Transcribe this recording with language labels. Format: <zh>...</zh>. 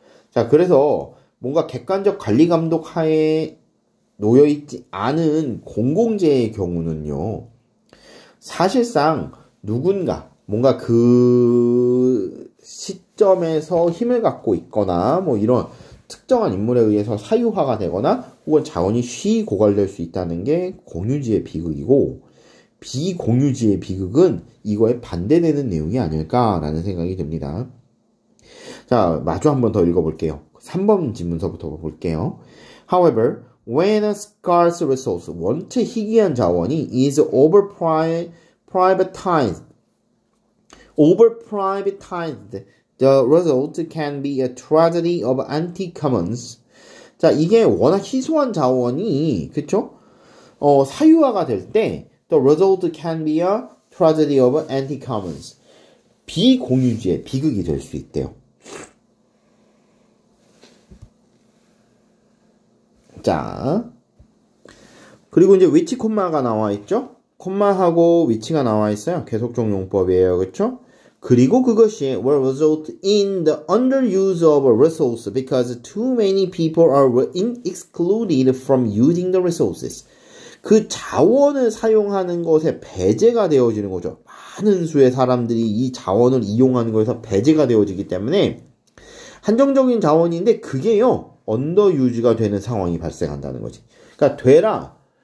<ko>자, 그래서 뭔가 객관적 관리 감독 하에 놓여 있지 않은 공공재의 경우는요, 사실상 누군가 뭔가 그 시점에서 힘을 갖고 있거나 뭐 이런 특정한 인물에 의해서 사유화가 되거나 혹은 자원이 쉬이 고갈될 수 있다는 게 공유지의 비극이고. 비공유지의 비극은 이거에 반대되는 내용이 아닐까라는 생각이 듭니다. 자, 마주 한번 더 읽어볼게요. 3번 지문서부터 볼게요.</ko> <en>However, when a scarce resource,</en> <ko>원체 희귀한 자원이</ko> <en>is overprivatized, the result can be a tragedy of anti-commons.</en> <ko>자, 이게 워낙 희소한 자원이, 그쵸? 사유화가 될 때,</ko> <en>The result can be a tragedy of anti-commons.</en> <ko>비공유지의 비극이 될수 있대요. 자, 그리고 이제 위치 콤마가 나와 있죠? 콤마하고 위치가 나와 있어요. 계속적 용법이에요, 그렇죠? 그리고 그것이</ko> <en>will result in the underuse of a resource because too many people are excluded from using the resources.</en> <ko>그 자원을 사용하는 것에 배제가 되어지는 거죠. 많은 수의 사람들이 이 자원을 이용하는 것에서 배제가 되어지기 때문에 한정적인 자원인데 그게요, 언더유즈가 되는 상황이 발생한다는 거지. 그러니까 되라.</ko>